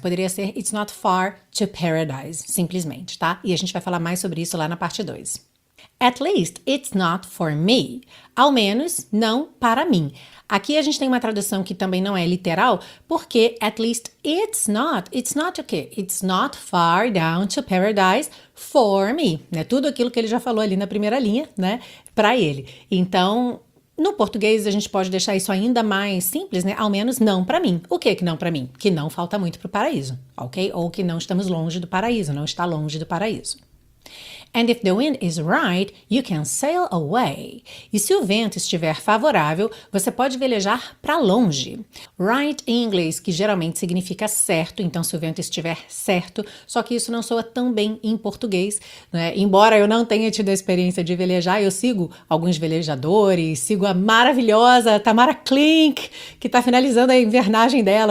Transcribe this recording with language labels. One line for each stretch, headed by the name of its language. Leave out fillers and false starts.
Portuguese: Poderia ser
English: it's not far to paradise,
Portuguese: simplesmente, tá? E a gente vai falar mais sobre isso lá na parte 2.
English: At least it's not for me.
Portuguese: Ao menos não para mim. Aqui a gente tem uma tradução que também não é literal, porque
English: at least it's not
Portuguese: o quê?
English: It's not far down to paradise for me.
Portuguese: Né? Tudo aquilo que ele já falou ali na primeira linha, né? Para ele. Então, no português a gente pode deixar isso ainda mais simples, né? Ao menos não para mim. O que que não para mim? Que não falta muito para o paraíso, ok? Ou que não estamos longe do paraíso, não está longe do paraíso.
English: And if the wind is right, you can sail away.
Portuguese: E se o vento estiver favorável, você pode velejar para longe. Right em inglês, que geralmente significa certo, então se o vento estiver certo, só que isso não soa tão bem em português, né? Embora eu não tenha tido a experiência de velejar, eu sigo alguns velejadores, sigo a maravilhosa Tamara Klink, que está finalizando a invernagem dela.